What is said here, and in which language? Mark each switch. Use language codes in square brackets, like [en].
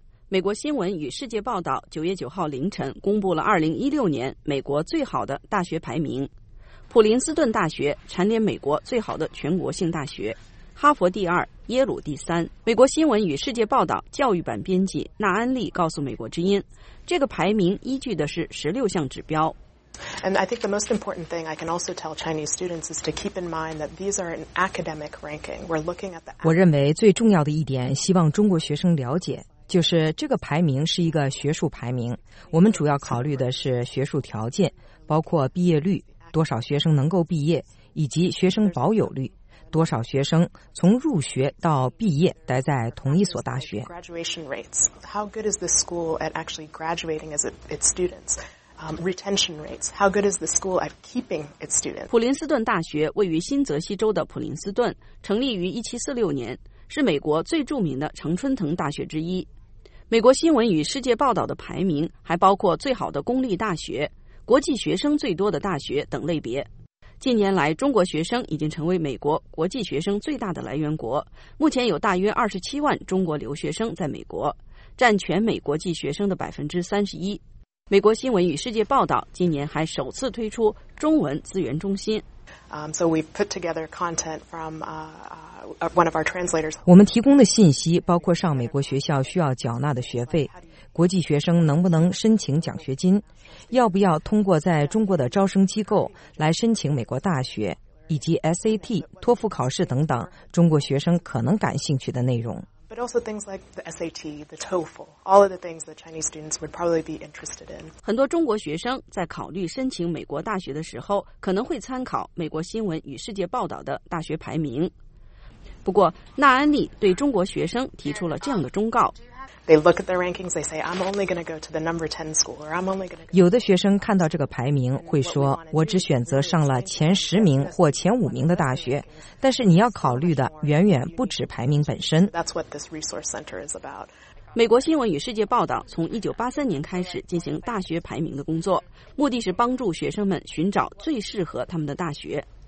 [zh] 美国新闻与世界报道9月9号凌晨公布了2016年美国最好的大学排名。普林斯顿大学蝉联美国最好的全国性大学，哈佛第二，耶鲁第三。美国新闻与世界报道教育版编辑纳安利告诉美国之音，这个排名依据的是16项指标。 [en] And I think the most important thing I can also tell Chinese students is to keep in mind that these are an academic ranking. We're looking at the [zh] 我认为最重要的一点，希望中国学生了解，就是这个排名是一个学术排名，我们主要考虑的是学术条件，包括毕业率，多少学生能够毕业，以及学生保有率，多少学生从入学到毕业待在同一所大学。 [en] How good is the school at actually graduating its students? Retention rates. How good is the school at keeping its students? [zh] 普林斯顿大学位于新泽西州的普林斯顿，成立于1746年。是美国最著名的常春藤大学之一。美国新闻与世界报道的排名还包括最好的公立大学、国际学生最多的大学等类别。近年来，中国学生已经成为美国国际学生最大的来源国，目前有大约27万中国留学生在美国，占全美国际学生的31%。美国新闻与世界报道今年还首次推出中文资源中心。 [en] So we put together content from one of our translators. [zh] 我们提供的信息包括上美国学校需要缴纳的学费，国际学生能不能申请奖学金，要不要通过在中国的招生机构来申请美国大学，以及 SAT、托福考试等等中国学生可能感兴趣的内容。 [en] But also things like the SAT, the TOEFL, all of the things that Chinese students would probably be interested in. [zh] 很多中国学生在考虑申请美国大学的时候，可能会参考美国新闻与世界报道的大学排名。不过，纳安利对中国学生提出了这样的忠告。 [en] They look at the rankings, they say, I'm only going to go to the number 10 school, or I'm only going to. [zh] 有的学生看到这个排名会说，我只选择上了前十名或前五名的大学。但是你要考虑的远远不止排名本身。 [en] That's what this resource center is about. [zh] 美国新闻与世界报道从1983年开始进行大学排名的工作，目的是帮助学生们寻找最适合他们的大学。